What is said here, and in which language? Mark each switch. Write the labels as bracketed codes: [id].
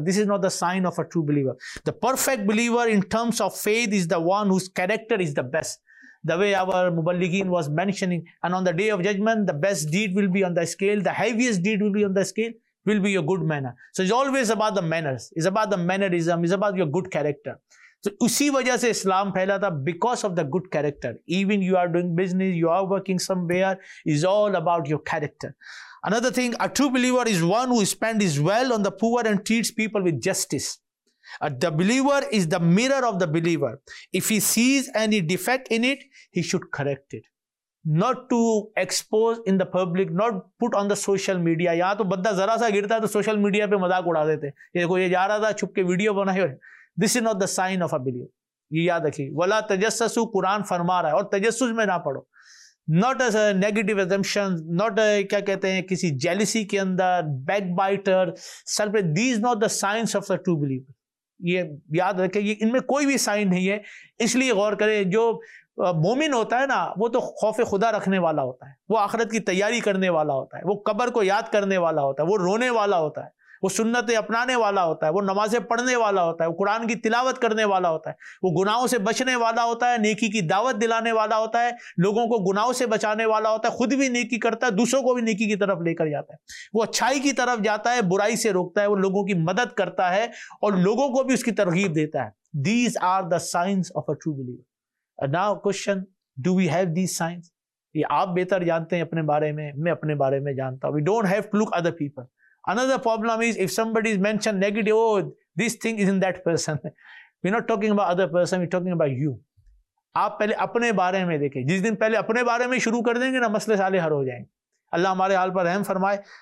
[en] This is not the sign of a true believer. The perfect believer in terms of faith is the one whose character is the best. The way our Muballighin was mentioning, and on the day of judgment, the best deed will be on the scale, the heaviest deed will be on the scale, will be your good manner. So it's always about the manners. It's about the mannerism. It's about your good character. [ur] اسی وجہ سے اسلام پھیلا تھا, [en] Because of the good character. Even you are doing business, you are working somewhere, is all about your character. Another thing, a true believer is one who spends his wealth on the poor and treats people with justice. The believer is the mirror of the believer. If he sees any defect in it, he should correct it. Not to expose in the public, not put on the social media. [ur] یہاں تو بندہ ذرا سا گرتا ہے تو social media پہ مذاق اڑا دیتے ہیں, دیکھو یہ جا رہا تھا چھپ کے ویڈیو بنائے. [en] This is not the sign of a believer. [ur] یہ یاد رکھیے. [ar] ولا تجسسو, [ur] قرآن فرما رہا ہے, اور تجسس میں نہ پڑھو. [en] Not as a negative assumption, not a, [ur] کیا کہتے ہیں, [en] کسی jealousy کے اندر, backbiter, self. These are not the signs of the true believer. [ur] یہ یاد رکھے, ان میں کوئی بھی sign نہیں ہے. اس لیے غور کریں, جو مومن ہوتا ہے نا وہ تو خوف خدا رکھنے والا ہوتا ہے, وہ آخرت کی تیاری کرنے والا ہوتا ہے, وہ قبر کو یاد کرنے والا ہوتا ہے, وہ رونے والا ہوتا ہے, وہ سنتیں اپنانے والا ہوتا ہے, وہ نمازیں پڑھنے والا ہوتا ہے, وہ قرآن کی تلاوت کرنے والا ہوتا ہے, وہ گناہوں سے بچنے والا ہوتا ہے, نیکی کی دعوت دلانے والا ہوتا ہے, لوگوں کو گناہوں سے بچانے والا ہوتا ہے, خود بھی نیکی کرتا ہے, دوسروں کو بھی نیکی کی طرف لے کر جاتا ہے, وہ اچھائی کی طرف جاتا ہے, برائی سے روکتا ہے, وہ لوگوں کی مدد کرتا ہے اور لوگوں کو بھی اس کی ترغیب دیتا ہے. [en] These are the signs of a true believer. Now question, do we have these signs? [ur] یہ آپ بہتر جانتے ہیں اپنے بارے میں, میں اپنے بارے میں جانتا ہوں. [en] We don't have to look other people. Another problem is if somebody is mentioned negative, oh, this thing is in that person. We're not talking about other person, we're talking about you. [ur] آپ پہلے اپنے بارے میں دیکھیں. جس دن پہلے اپنے بارے میں شروع کر دیں گے نا, مسئلے سالے حل ہو جائیں گے. اللہ ہمارے حال پر رحم فرمائے.